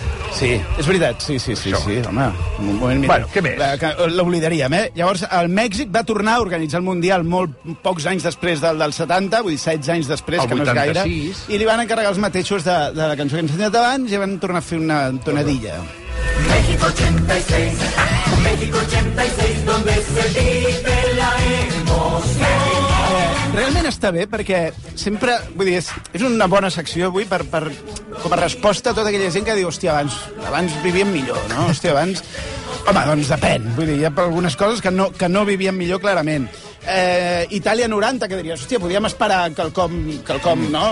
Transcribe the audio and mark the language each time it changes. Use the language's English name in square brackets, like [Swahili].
[Catalan] Sí, és veritat, sí, home. Un moment, mira. Bueno, què més? L'oblidaríem, eh? Llavors, el Mèxic va tornar a organitzar el Mundial molt pocs anys després del 70, vull dir, 16 anys després, el que 86. No és gaire. I li van encarregar els mateixos de la cançó que ens he ensenyat abans i van tornar a fer una tonadilla. [Spanish] México 86, México 86, donde se vive la emoción. [Catalan] Realment està bé, perquè sempre, vull dir, és una bona secció avui per com a resposta a tota aquella gent que diu, hòstia, abans vivíem millor, no? Hòstia, abans... Home, doncs depèn. Vull dir, hi ha algunes coses que no vivíem millor, clarament. Itàlia 90, que diries, hòstia, podíem esperar quelcom, no?